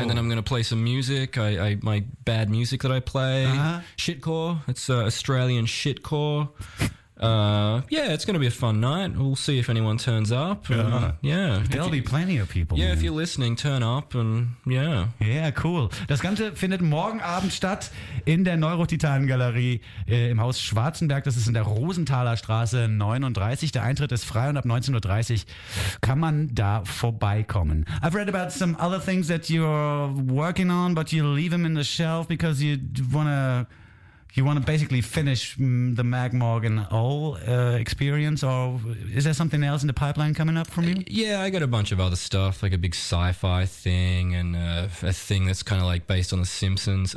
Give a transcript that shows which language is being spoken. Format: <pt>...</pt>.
<en>And then I'm going to play some music, my bad music that I play. Uh-huh. Shitcore. It's Australian shitcore. it's going to be a fun night. We'll see if anyone turns up. There'll be plenty of people. Yeah, man. If you're listening, turn up and yeah, cool.</en> <de>Das Ganze findet morgen Abend statt in der Neurotitanen-Galerie im Haus Schwarzenberg. Das ist in der Rosenthaler Straße 39. Der Eintritt ist frei und ab 19:30 kann man da vorbeikommen.</de> <en>I've read about some other things that you're working on, but you leave them in the shelf because you want to. You want to basically finish the Meg Morgan Hall experience, or is there something else in the pipeline coming up from you? Yeah, I got a bunch of other stuff, like a big sci-fi thing and a thing that's kind of like based on The Simpsons.</en>